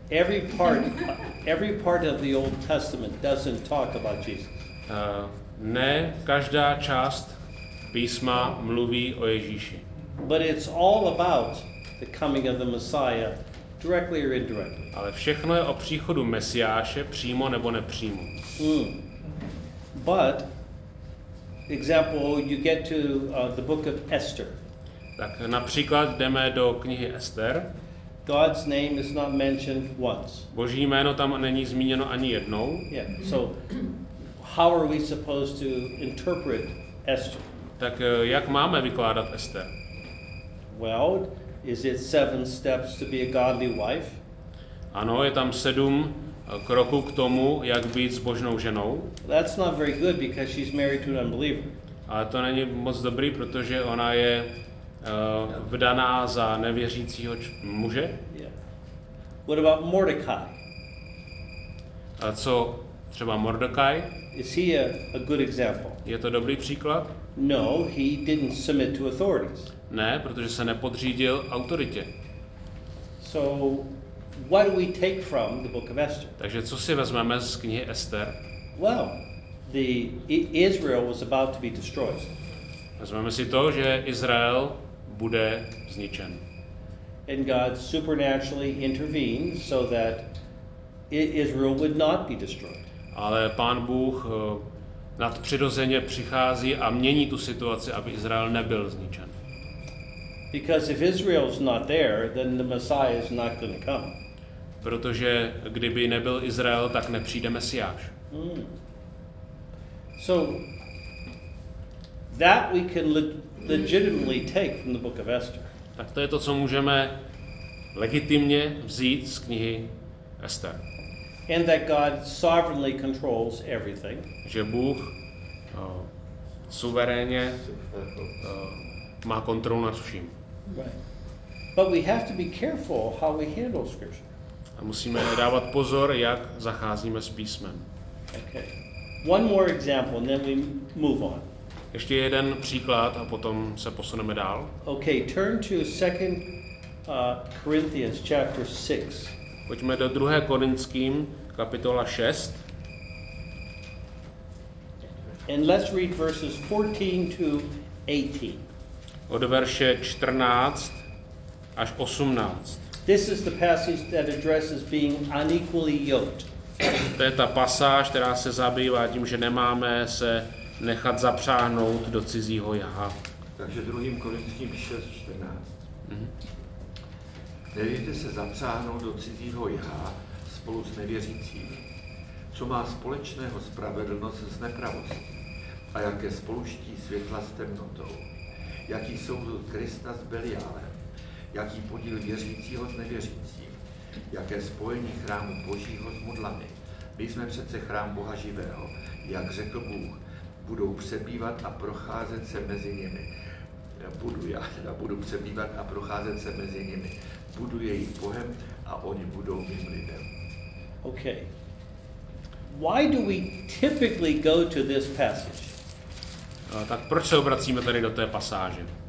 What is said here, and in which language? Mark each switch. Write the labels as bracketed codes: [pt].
[en] Every part of the Old Testament doesn't talk about Jesus. [cs] Ne každá část písma mluví o Ježíši. [en] But it's all about the coming of the Messiah, directly or indirectly. [cs] Ale všechno je o příchodu Mesiáše, přímo nebo nepřímo. [en] But example you get to the book of Esther. [cs] Tak například jdeme do knihy Ester. [en] God's name is not mentioned once. [cs] Boží jméno tam není zmíněno ani jednou. Yeah. [en] So how are we supposed to interpret Esther? [cs] Tak jak máme vykládat Ester? [en] Well, is it seven steps to be a godly wife? [cs] Ano, je tam sedm kroku k tomu, jak být zbožnou ženou. [en] That's not very good because she's married to an unbeliever. [cs] Ale to není moc dobrý, protože ona je vdaná za nevěřícího muže. [en] Yeah. What about Mordecai? [cs] A co třeba Mordecai? [en] Is he a good example? [cs] Je to dobrý příklad? [en] No, he didn't submit to authorities. [cs] Ne, protože se nepodřídil autoritě. [en] So what do we take from the book of Esther? [cs] Takže co si vezmeme z knihy Ester? [en] Well, the Israel was about to be destroyed. [cs] Vezmeme si to, že Izrael bude zničen. [en] And God supernaturally intervened so that Israel would not be destroyed. [cs] Ale Pán Bůh nadpřirozeně přichází a mění tu situaci, aby Izrael nebyl zničen. [en] Because if Israel is not there, then the Messiah is not going to come. [cs] Protože kdyby nebyl Izrael, tak nepřijde Mesiáš. Hmm. [en] So that we can legitimately take from the book of Esther. [cs] Tak to je to, co můžeme legitimně vzít z knihy Ester. [en] And that God sovereignly controls everything. [cs] Že Bůh suverénně má kontrolu nad vším. Right. [en] But we have to be careful how we handle scripture. [cs] A musíme dávat pozor, jak zacházíme s písmem. [en] Okay. One more example, and then we move on. [cs] Ještě jeden příklad a potom se posuneme dál. [en] Okay, turn to 2 Corinthians chapter 6. [cs] Pojďme do 2. Korinským kapitola 6. [en] And let's read verses 14 to 18. [cs] Od verše 14 až 18. [en] This is the passage that addresses being unequally yoked. [cs] To je ta pasáž, která se zabývá tím, že nemáme se nechat zapřáhnout do cizího jaha. Takže 2. Korinským 6:14. Nedejte se zapřáhnout do cizího jaha spolu s nevěřícími. Co má společného spravedlnost s nepravostí? A jaké spoluští světla s temnotou? Jaký souzud Krista s Beliálem? Jaký podíl věřícího s nevěřícím? Jaké spojení chrámu Božího s modlami? My jsme přece chrám Boha živého. Jak řekl Bůh, budou přebývat a procházet se mezi nimi. Budu já teda, budu přebývat a procházet se mezi nimi. Budu jejich Bohem a oni budou mým lidem. Okay. [en] Why do we typically go to this passage? [cs] Tak proč se obracíme tady do té pasáže?